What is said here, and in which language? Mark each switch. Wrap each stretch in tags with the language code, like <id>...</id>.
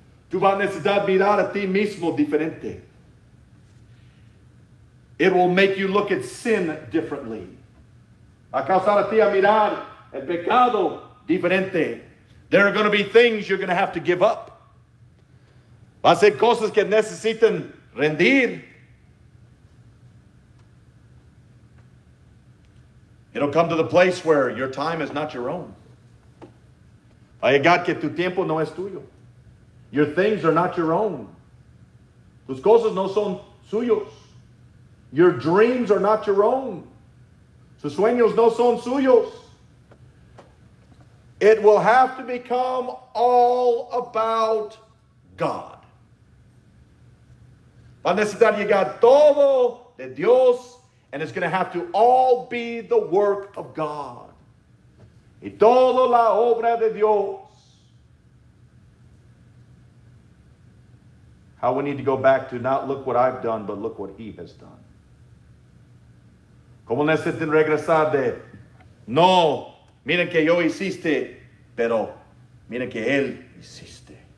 <es>Tú vas a necesitar mirar a ti mismo diferente.</es> <en>It will make you look at sin differently.</en> <es>Va a causar a ti a mirar el pecado diferente.</es> <en>There are going to be things you're going to have to give up.</en> <es>Va a ser cosas que necesitan rendir.</es> <en>It'll come to the place where your time is not your own.</en> <es>Va a llegar que tu tiempo no es tuyo.</es> <en>Your things are not your own.</en> <es>Tus cosas no son suyos.</es> <en>Your dreams are not your own.</en> <es>Tus sueños no son suyos.</es> <en>It will have to become all about God.</en> <es>Va a necesitar llegar todo de Dios,</es> <en>and it's going to have to all be the work of God.</en> <es>Y todo la obra de Dios.</es> <en>How we need to go back to not look what I've done, but look what He has done.</en> <es>Como necesitan regresar de no, miren que yo hiciste, pero miren que Él hiciste.</es>